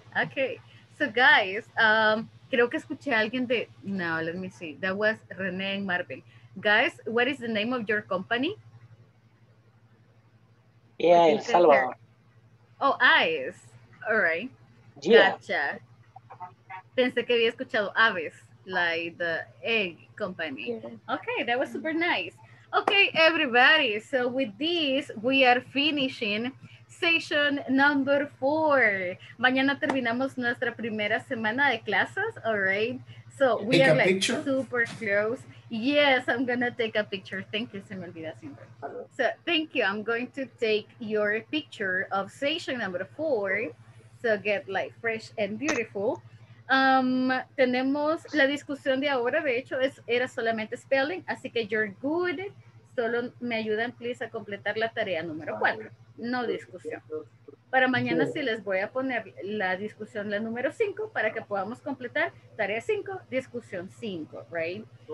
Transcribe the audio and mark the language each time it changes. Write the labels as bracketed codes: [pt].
[es] Okay, so guys, creo que escuché a alguien de, no, [en] let me see. That was René and Marvin. Guys, what is the name of your company? Yeah, El Salvador. Oh, Eyes. All right. Yeah. Gotcha. [es] Pensé que había escuchado Aves, [en] like the egg company. [es] Yeah. [en] Okay, that was super nice. Okay, everybody. So with this, we are finishing session number 4. [es] Mañana terminamos nuestra primera semana de clases, [en] all right? So we take are like picture? Super close. Yes, I'm gonna take a picture. Thank you, [es] se me olvida siempre. [en] So thank you. I'm going to take your picture of session number 4. So get like fresh and beautiful. [es] Tenemos la discusión de ahora, de hecho, era solamente spelling, así que [en] you're good. [es] Solo me ayudan, please, a completar la tarea número 4. No discusión. Para mañana sí les voy a poner la discusión, la número 5, para que podamos completar tarea 5, discusión 5, right?